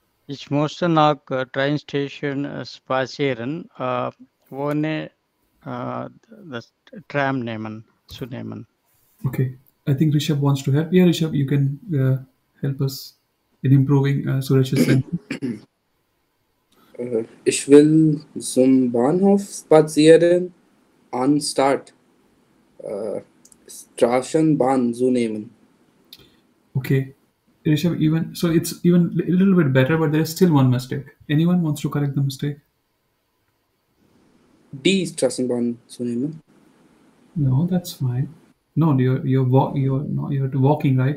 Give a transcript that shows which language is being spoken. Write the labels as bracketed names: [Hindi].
[German] Ich möchte nach [English] train station [German] spazieren, wohne [English] the tram [German] nehmen, zu nehmen. [English] Okay. I think Rishabh wants to help. Yeah, Rishabh, you can help us in improving Suresh's sentence. [German] Ich will zum Bahnhof spazieren anstatt Straßenbahn zu nehmen. [English] Okay, Rishabh, even so, it's even a little bit better, but there's still one mistake. Anyone wants to correct the mistake? [German] Die Straßenbahn zu nehmen. [English] No, that's fine. No, you're walking, right?